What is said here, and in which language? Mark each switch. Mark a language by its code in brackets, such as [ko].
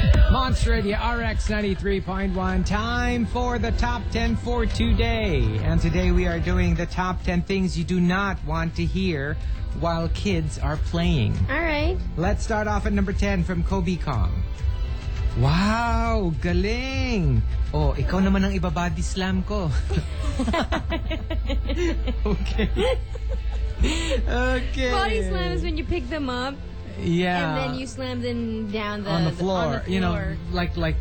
[en] Monster Radio RX 93.1. Time for the top 10 for today. And today we are doing the top 10 things you do not want to hear while kids are playing. All right. Let's start off at number 10 from Kobe Kong. [tl] Wow, galing! Oh, ikaw naman ang ibabody slam ko. [en] Okay. Body slam is when you pick them up. Yeah. And then you slam them down the on the floor. On the floor. You know, like